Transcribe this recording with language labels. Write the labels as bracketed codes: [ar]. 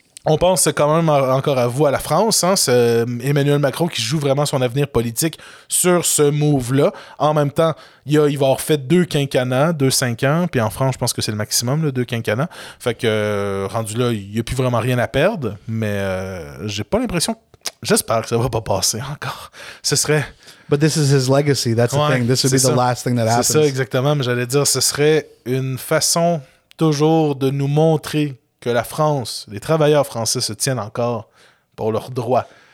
[fr] On pense quand même encore à vous, à la France. Hein, Emmanuel Macron qui joue vraiment son avenir politique sur ce move-là. En même temps, il va avoir fait deux quinquennats, deux cinq ans. Puis en France, je pense que c'est le maximum, là, deux quinquennats. Fait que, rendu là, il n'y a plus vraiment rien à perdre. Mais j'ai pas l'impression que j'espère que ça va pas passer encore. Ce serait... [en] But this is his legacy, that's the thing. This would be the last thing that happens. [fr] C'est ça, exactement. Mais j'allais dire, ce serait une façon toujours de nous montrer que la France, les travailleurs français se tiennent encore pour leurs droits.